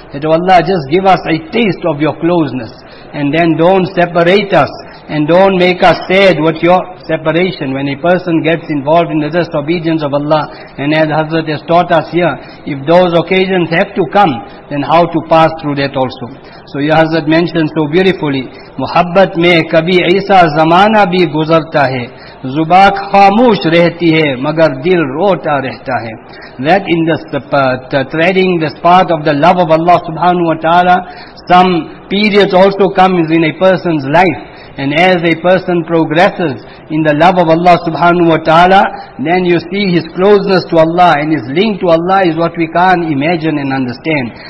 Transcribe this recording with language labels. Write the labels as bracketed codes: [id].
[en] That Allah, just give us a taste of your closeness, and then don't separate us, and don't make us sad with your separation. When a person gets involved in the just obedience of Allah, and as Hazrat has taught us here, if those occasions have to come, then how to pass through that also. So your Hazrat mentioned so beautifully, [ur] محبت میں کبھی ایسا زمانہ بھی گزرتا ہے زباق خاموش رہتی ہے مگر دل روتا رہتا ہے. [en] That in this treading this path of the love of Allah Subhanahu Wa Ta'ala, some periods also comes in a person's life. And as a person progresses in the love of Allah Subhanahu Wa Ta'ala, then you see his closeness to Allah and his link to Allah is what we can't imagine and understand.